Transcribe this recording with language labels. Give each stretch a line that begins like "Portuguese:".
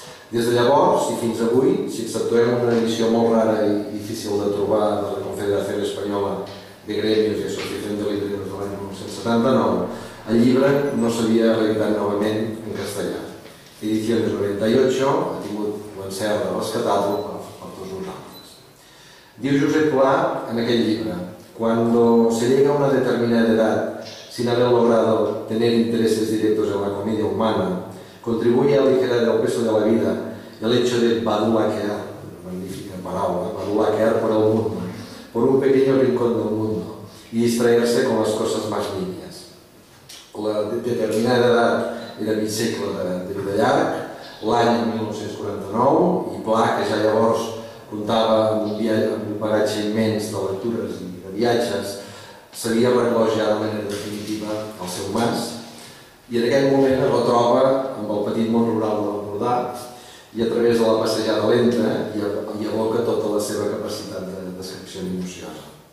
Catalan: Des de llavors i fins avui, si exceptuem una edició molt rara i difícil de trobar de la Confederació Espanyola de Gremios i Associación de Libreros de l'any 1979, el llibre no s'havia reeditat novament en castellà. Ediciones 98 ha tingut l'encert de rescatar-lo per tots nosaltres. Diu Josep Pla en aquell llibre:
Spanish: cuando se llega a una determinada edad sin haber logrado tener intereses directos en la comedia humana, contribuye a aligerar el peso de la vida y al hecho de badulaquear, magnífica palabra, badulaquear por el mundo, por un pequeño rincón del mundo, y distraerse con las cosas más niñas.
Catalan: La determinada edad era mig segle de vida llarg, l'any 1949, i Pla, que ja llavors comptava amb un bagatge immens de lectures i viatges, s'havia reclòs ja de manera definitiva al seu mas, i en aquell moment es retroba amb el petit món rural de l'Empordà i a través de la passejada lenta i aboca tota la seva capacitat de descripció minuciosa.